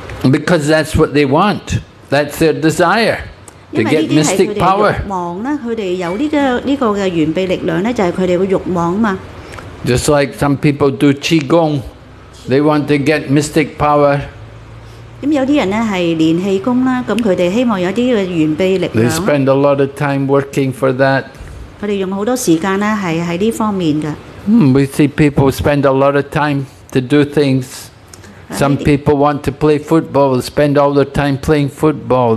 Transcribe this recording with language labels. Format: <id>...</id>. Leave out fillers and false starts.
<en>Because that's what they want. That's their desire. To get mystic power. Just like some people do qigong, they want to get mystic power.</en> <zh>有些人是练气功，他们希望有些原秘力量。</zh> <en>They spend a lot of time working for that.</en> <zh>他们用很多时间在这方面。</zh> <en>We see people spend a lot of time to do things. Some people want to play football, spend all their time playing football.</en>